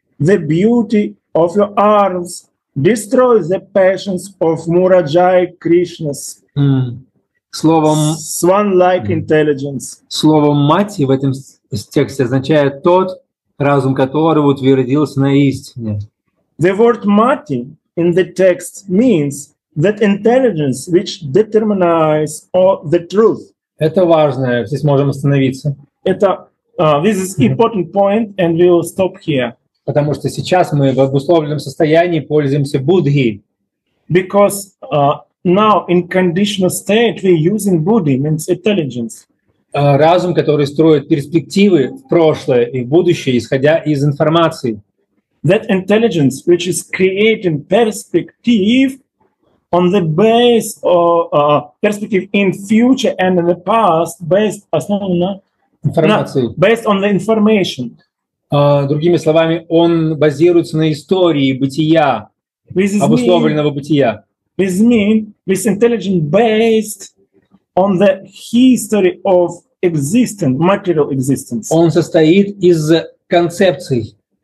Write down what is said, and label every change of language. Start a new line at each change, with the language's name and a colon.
English: The beauty of your arms destroys the passions of Муражай Кришнас.
Russian: Словом,
English: swan-like intelligence.
Russian: Словом мати в этом тексте означает тот, разум которого утвердился на истине.
English: The word mati in the text means that intelligence which determines all the truth.
Russian: Это важное, здесь можем остановиться.
English: This is important point and we will stop here.
Russian: Потому что сейчас мы в обусловленном состоянии пользуемся Будхи.
English: Because now in conditional state we're using Buddhi, means intelligence.
Russian: Разум, который строит перспективы в прошлое и в будущее, исходя из информации.
English: That intelligence, which is creating perspective on the base of perspective in future and in the past, based
Russian: основано на информации.
English: Based on the information.
Russian: Другими словами, он базируется на истории бытия, обусловленного бытия.
English: This means this intelligence based on the history of existence, material existence.
Russian: Он состоит из концепций.